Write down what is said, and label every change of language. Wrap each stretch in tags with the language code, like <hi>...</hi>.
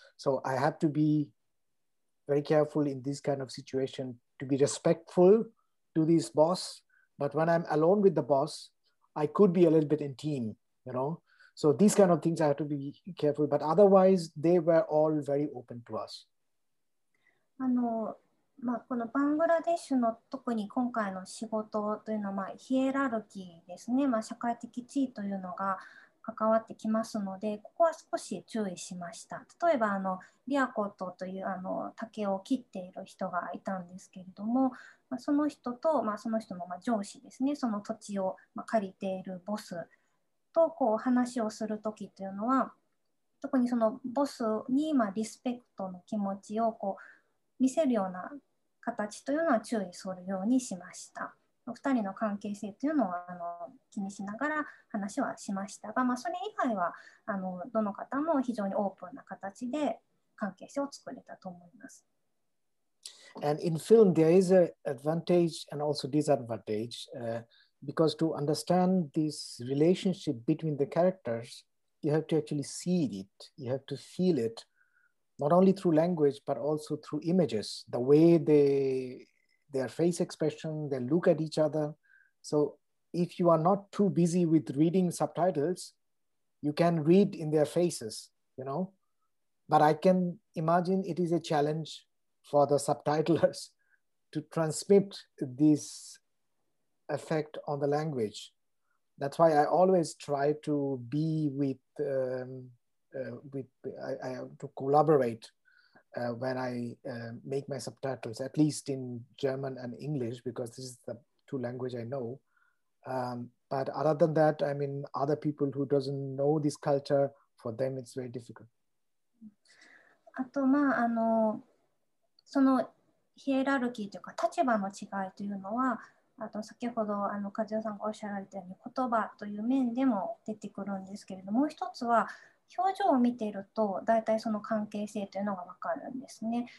<en>So I have to be very careful in this kind of situation to be respectful to this boss. But when I'm alone with the boss, I could be a little bit in team, you know? So these kind of things I have to be careful, but otherwise they were all very open to us.</en> <ja>まあ、このバングラデシュの特に今回の仕事というのはヒエラルキーですね、まあ、社会的地位というのが関わってきますので、ここは少し注意しました。例えばリアコートという竹を切っている人がいたんですけれども、まあ、その人と、まあ、その人の上司ですね、その土地を借りているボスとこう話をするときというのは、特にそのボスにまあリスペクトの気持ちをこう見せるような形というのは注意するようにしました。お二人の関係性というのは気にしながら話はしましたが、まあ、それ以外はどの方も非常にオープンな形で関係性を作れたと思います。</ja> <en>And in film there is an advantage and also disadvantage, because to understand this relationship between the characters, you have to actually see it, you have to feel itNot only through language, but also through images, the way their face expression, they look at each other. So if you are not too busy with reading subtitles, you can read in their faces, you know. But I can imagine it is a challenge for the subtitlers to transmit this effect on the language. That's why I always try to be with, I have to collaborate when I make my subtitles, at least in German and English, because this is the two language I know. But other than that, I mean, other people who doesn't know this culture, for them it's very difficult.</en> <ja>あとまああのそのヒエラルキーというか立場の違いというのは、あと先ほどあの和代さんがおっしゃられたように言葉という面でも出てくるんですけれども、もう一つは表情を見ていると大体その関係性というのが分かるんですね。</ja>